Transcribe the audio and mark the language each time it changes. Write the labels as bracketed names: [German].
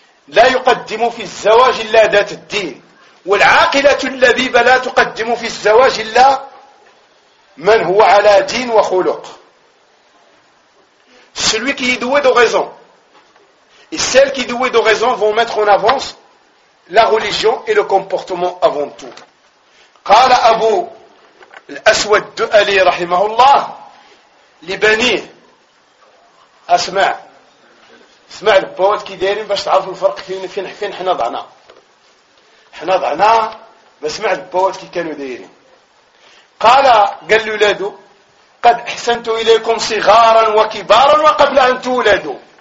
[Arabic] لا يقدم في الزواج إلا ذات الدين والعاقلة اللبيبة لا تقدم في الزواج إلا من هو على دين وخلق. [French] Celui qui est doué de raison et celle qui est douée de raison vont mettre en avance la religion et le comportement avant tout. [Arabic] قال أبو الأسود الدؤلي رحمه الله لبنيه أسمع اسمع البوات كي دايرين باش تعرف الفرق فين حنا ضعنا. حنا ضعنا بسمع البوات كي كانوا دايرين. قال لولادو قد احسنت اليكم صغارا وكبارا وقبل ان تولدوا.